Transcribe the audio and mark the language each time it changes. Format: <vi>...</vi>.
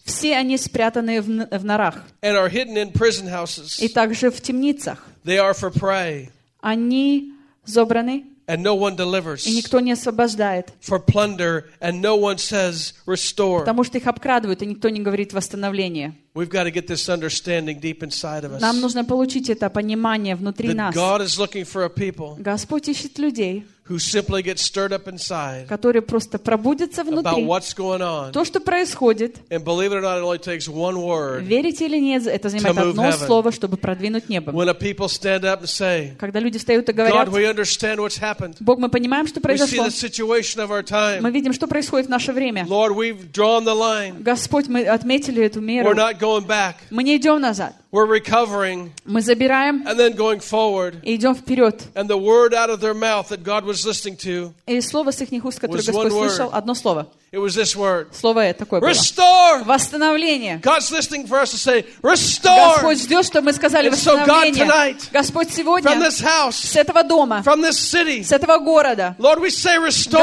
<ru>Все они спрятаны в норах.</ru> <en>And are hidden in prison houses.</en> <ru>И также в темницах.</ru> <en>They are for prey.</en> <ru>Они забраны.</ru> <en>And no one delivers.</en> <ru>И никто не освобождает.</ru> <en>For plunder, and no one says restore.</en> <ru>Потому что их обкрадывают, и никто не говорит восстановление.</ru> <en>We've got to get this understanding deep inside of us.</en> <ru>Нам нужно получить это понимание внутри нас.</ru> <en>God is looking for a people.</en> <ru>Господь ищет людей.</ru> <en>Who simply get stirred up inside.</en> <ru>Которые просто пробудятся внутри.</ru> <en>About what's going on.</en> <ru>То, что происходит.</ru> <en>And believe it or not, it only takes one word.</en> <ru>Верите или нет, это занимает одно слово, чтобы продвинуть небо.</ru> <en>When a people stand up and say.</en> <ru>Когда люди встают и говорят.</ru> <en>God, we understand what's happened.</en> <ru>Бог, мы понимаем, что произошло.</ru> <en>We see the situation of our time.</en> <ru>Мы видим, что происходит в наше время.</ru> <en>Lord, we've drawn the line.</en> <ru>Господь, мы отметили эту меру.</ru> <en>We're not going back.</en> <ru>Мы не идем назад.</ru> <en>We're recovering.</en> <ru>Мы забираем.</ru> <en>And then going forward.</en> <ru>И идем вперед.</ru> <en>And the word out of their mouth that God was listening to.</en> <ru>И слово с их уст, которое Господь слышал, одно слово.</ru> <en>It was this word.</en> <ru>Слово это такое было.</ru> <en>Restore.</en> <ru>Восстановление.</ru> <en>God's listening for us to say restore.</en> <ru>Господь ждет, чтобы мы сказали восстановление.</ru> <en>And so God tonight.</en> <ru>Господь сегодня.</ru> <en>From this house.</en> <ru>С этого дома.</ru> <en>From this city.</en> <ru>С этого города.</ru> <en>Lord, we say restore.</en>